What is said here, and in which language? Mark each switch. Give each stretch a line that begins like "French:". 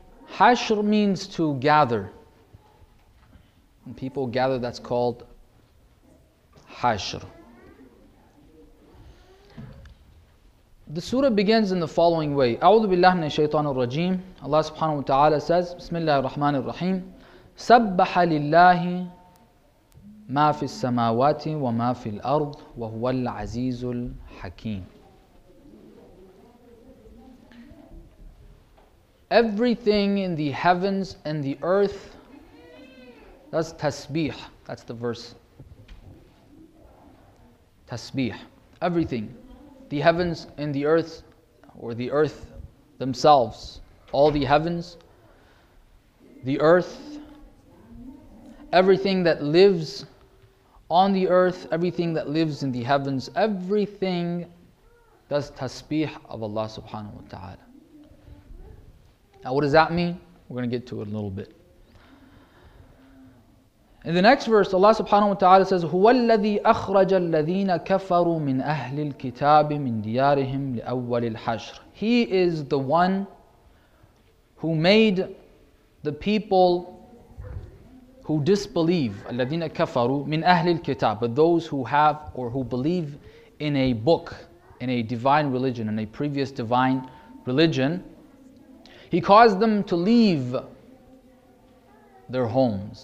English: Hashr means to gather. When people gather, that's called Hashr. The surah begins in the following way.
Arabic: A'udhu billahi minash shaitanir rajim.
English: Allah subhanahu wa ta'ala says,
Arabic: Bismillahir Rahmanir Rahim. سبح لله ما في السماوات وما في الأرض وهو العزيز الحكيم.
English: Everything in the heavens and the earth, that's tasbih, that's the verse. Tasbih, everything, the heavens and the earth, or the earth themselves, all the heavens, the earth, everything that lives on the earth, everything that lives in the heavens, everything does tasbih of Allah subhanahu wa ta'ala. Now what does that mean? We're going to get to it a little bit. In the next verse, Allah subhanahu wa ta'ala says,
Arabic: هُوَ الَّذِي أَخْرَجَ الَّذِينَ كَفَرُوا مِنْ أَهْلِ الْكِتَابِ مِنْ دِيَارِهِمْ لِأَوَّلِ الْحَشْرِ.
English: He is the one who made the people who disbelieve,
Arabic: الَّذِينَ كَفَرُوا مِنْ أَهْلِ الْكِتَابِ,
English: but those who have or who believe in a book, in a divine religion, in a previous divine religion, he caused them to leave their homes.